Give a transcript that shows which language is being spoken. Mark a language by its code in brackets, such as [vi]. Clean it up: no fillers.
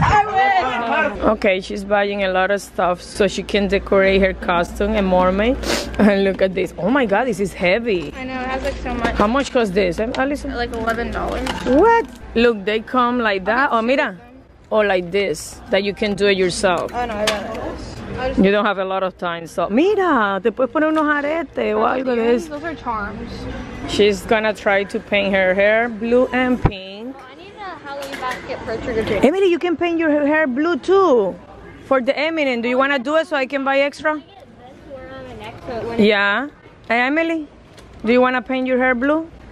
[en] I win. Okay, she's buying a lot of stuff so she can decorate her costume, a mermaid. And look at this. Oh my God, this is heavy. I know, it has like so much. How much cost this, Alison? Like $11. What? Look, they come like that. Oh, [es] mira. [en] Or like this, that you can do it yourself. Oh no, I got it. You don't have a lot of time, so... [es] Mira, te puedes poner unos aretes o algo de eso. [en] Those are charms. She's gonna try to paint her hair blue and pink. Oh, I need a Halloween basket for trick-or-treat. Emily, you can paint your hair blue too. For the Eminem. Do you wanna do it so I can buy extra? I So yeah. Hey, Emily, do you want to paint your hair blue?